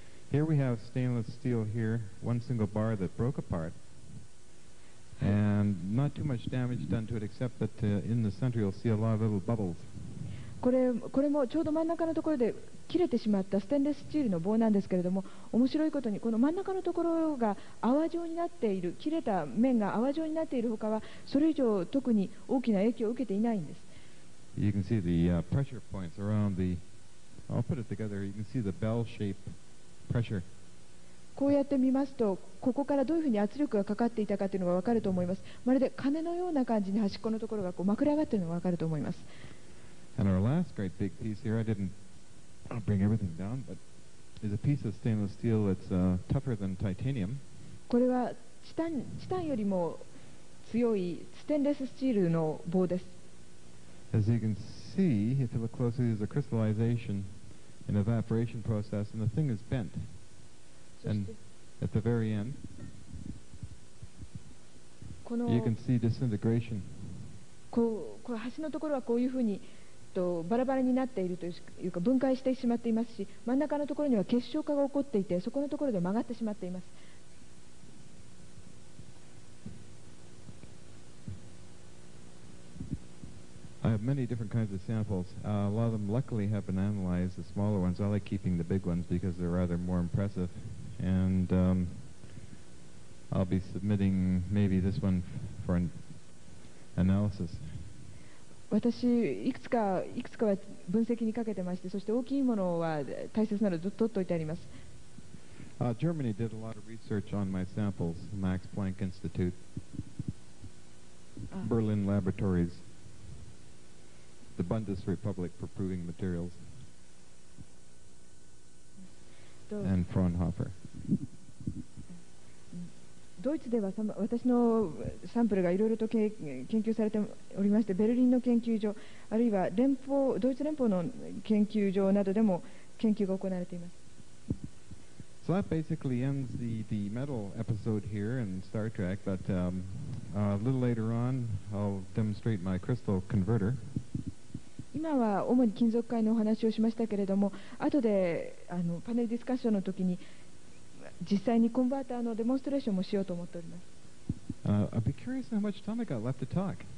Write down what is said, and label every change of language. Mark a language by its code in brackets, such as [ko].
[en] Here we have stainless steel here, one single bar that broke apart. And not too much damage done to it except that in the center you'll see a lot of little bubbles. [ja] これもちょうど真ん中のところで切れてしまったステンレススチールの棒なんですけれども、面白いことにこの真ん中のところが泡状になっている、切れた面が泡状になっているほかはそれ以上特に大きな影響を受けていないんです。 [en] You can see the pressure points around the... I'll put it together. You can see the bell-shaped pressure. [ja] こうやって見ますと、ここからどういうふうに圧力がかかっていたかというのが分かると思います。まるで鐘のような感じに端っこのところがこうまくれ上がっているのが分かると思います。 [en] And our last great big piece here, I didn't bring everything down, but is a piece of stainless steel that's tougher than titanium. [ja] これはチタンよりも強いステンレススチールの棒です。 [en] As you can see, if you look closely, there's a crystallization, an evaporation process, and the thing is bent. And at the very end, you can see disintegration. [ja] この端のところはこういうふうにバラバラになっているというか分解してしまっていますし、真ん中のところには結晶化が起こっていて、そこのところで曲がってしまっています。 [en] I have many different kinds of samples. A lot of them luckily have been analyzed, the smaller ones. I like keeping the big ones because they're rather more impressive. And I'll be submitting maybe this one for an analysis. [ja] 私いくつかは分析にかけてまして、そして大きいものは大切なので取っておいてあります。 [en] Germany did a lot of research on my samples, Max Planck Institute, Berlin Laboratories. The Bundes Republic for proving materials and Fraunhofer. [ja] ドイツでは私のサンプルがいろいろと研究されておりまして、ベルリンの研究所あるいはドイツ連邦の研究所などでも研究が行われています。 [en] So that basically ends the metal episode here in Star Trek, but a little later on I'll demonstrate my crystal converter. [ja] 今は主に金属塊のお話をしましたけれども、後でパネルディスカッションの時に実際にコンバーターのデモンストレーションもしようと思っております。 [en] I'd be curious how much time I got left to talk.